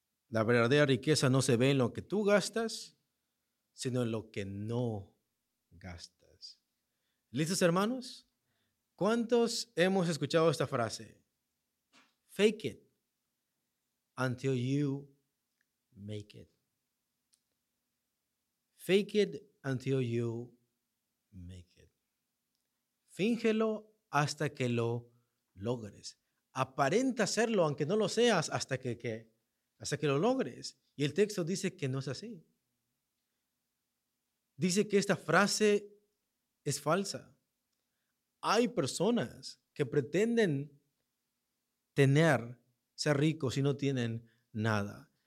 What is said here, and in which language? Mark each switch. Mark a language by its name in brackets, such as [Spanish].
[Spanish] La verdadera riqueza no se ve en lo que tú gastas, sino en lo que no gastas. ¿Listos, hermanos? ¿Cuántos hemos escuchado esta frase? [English] Fake it until you make it. Fake it until you make it. [Spanish] Fíngelo hasta que lo logres. Aparenta hacerlo, aunque no lo seas, hasta que ¿qué? Hasta que lo logres. Y el texto dice que no es así. Dice que esta frase es falsa. Hay personas que pretenden tener, ser ricos y no tienen nada.